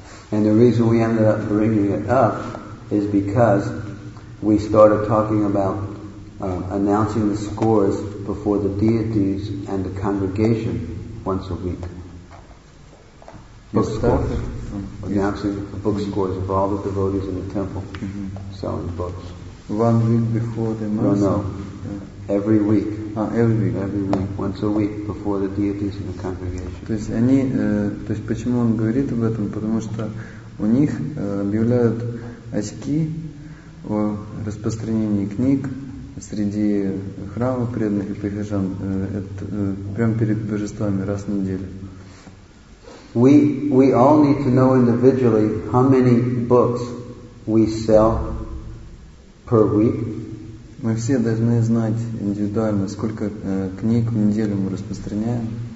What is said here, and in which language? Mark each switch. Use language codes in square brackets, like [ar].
[en] And the reason we ended up bringing it up is because we started talking about announcing the scores before the deities and the congregation once a week. Book scores. Announcing the book scores of all the devotees in the temple selling books. 1 week before the mass? No. Every week. Every week. Every week. Once a week before the deities and the congregation. [ru] То есть они, то есть почему он говорит об этом? Потому что у них объявляют очки о распространении книг среди храма преданных и прихожан прямо перед божествами раз в неделю. [en] We all need to know individually how many books we sell per week. [ru] Мы все должны знать индивидуально, сколько книг в неделю мы распространяем.